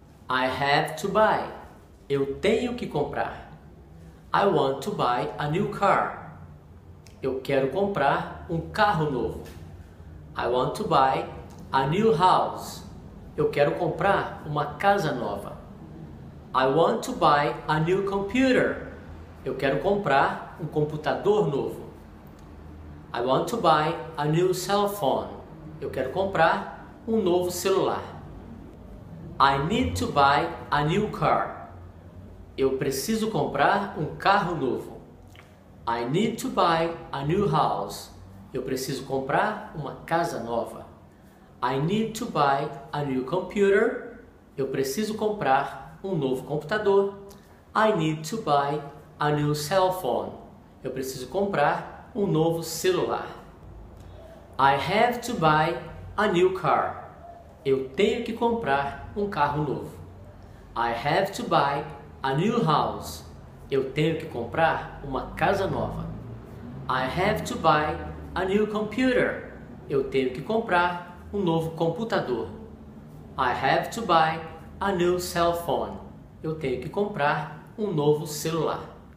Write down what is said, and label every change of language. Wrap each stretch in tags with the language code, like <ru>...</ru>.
<en>I have to buy.</en> <pt>Eu tenho que comprar.</pt> <en>I want to buy a new car.</en> <pt>Eu quero comprar um carro novo.</pt> <en>I want to buy a new house.</en> <pt>Eu quero comprar uma casa nova.</pt> <en>I want to buy a new computer.</en> <pt>Eu quero comprar um computador novo.</pt> <en>I want to buy a new cell phone.</en> <pt>Eu quero comprar um novo celular.</pt> <en>I need to buy a new car.</en> <pt>Eu preciso comprar um carro novo.</pt> <en>I need to buy a new house.</en> <pt>Eu preciso comprar uma casa nova.</pt> <en>I need to buy a new computer.</en> <pt>Eu preciso comprar um novo computador.</pt> <en>I need to buy a new cell phone.</en> <pt>Eu preciso comprar um novo celular.</pt> <en>I have to buy a new car.</en> <pt>Eu tenho que comprar um carro novo.</pt> <en>I have to buy a new house.</en> <pt>Eu tenho que comprar uma casa nova.</pt> <en>I have to buy a new computer.</en> <pt>Eu tenho que comprar um novo computador.</pt> <en>I have to buy a new cell phone.</en> <pt>Eu tenho que comprar um novo celular.</pt>